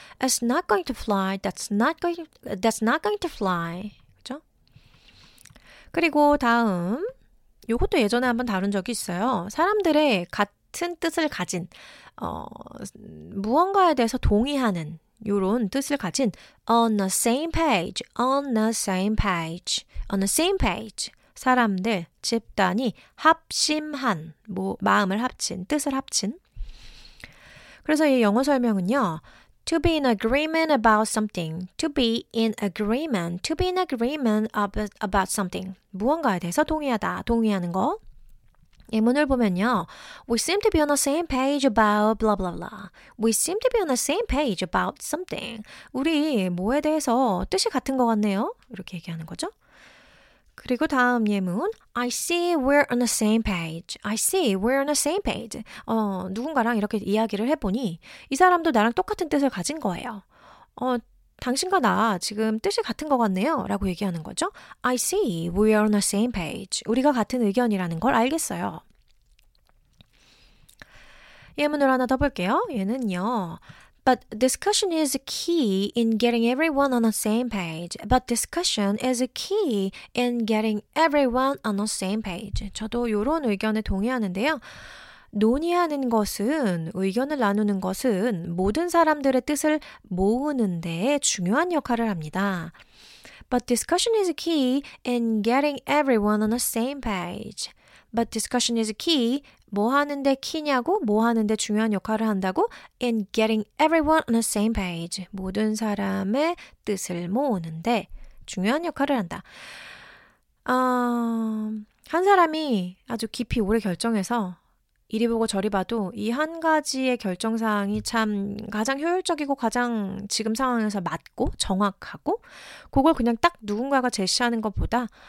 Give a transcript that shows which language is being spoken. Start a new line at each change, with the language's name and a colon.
English: It's not going to fly, that's not going to fly,
Korean: 그렇죠? 그리고 다음, 이것도 예전에 한번 다룬 적이 있어요. 사람들의 같은 뜻을 가진 무언가에 대해서 동의하는 이런 뜻을 가진
English: on the same page, on the same page, on the same page.
Korean: 사람들, 집단이 합심한, 뭐 마음을 합친, 뜻을 합친. 그래서 이 영어 설명은요.
English: To be in agreement about something. To be in agreement. To be in agreement about something.
Korean: 무언가에 대해서 동의하다, 동의하는 거. 예문을 보면요.
English: We seem to be on the same page about blah blah blah. We seem to be on the same page about something.
Korean: 우리 뭐에 대해서 뜻이 같은 것 같네요. 이렇게 얘기하는 거죠. 그리고 다음 예문.
English: I see we're on the same page. I see we're on the same page.
Korean: 누군가랑 이렇게 이야기를 해보니 이 사람도 나랑 똑같은 뜻을 가진 거예요. 당신과 나 지금 뜻이 같은 것 같네요. 라고 얘기하는 거죠.
English: I see we are on the same page.
Korean: 우리가 같은 의견이라는 걸 알겠어요. 예문을 하나 더 볼게요. 얘는요.
English: But discussion is key in getting everyone on the same page. But discussion is key in getting everyone on the same page.
Korean: 저도 이런 의견에 동의하는데요. 논의하는 것은, 의견을 나누는 것은 모든 사람들의 뜻을 모으는 데 중요한 역할을 합니다.
English: But discussion is key in getting everyone on the same page. But discussion is key.
Korean: 뭐 하는데 키냐고? 뭐 하는데 중요한 역할을 한다고?
English: In getting everyone on the same page.
Korean: 모든 사람의 뜻을 모으는 데 중요한 역할을 한다. 한 사람이 아주 깊이 오래 결정해서 이리 보고 저리 봐도 이 한 가지의 결정사항이 참 가장 효율적이고 가장 지금 상황에서 맞고 정확하고 그걸 그냥 딱 누군가가 제시하는 것보다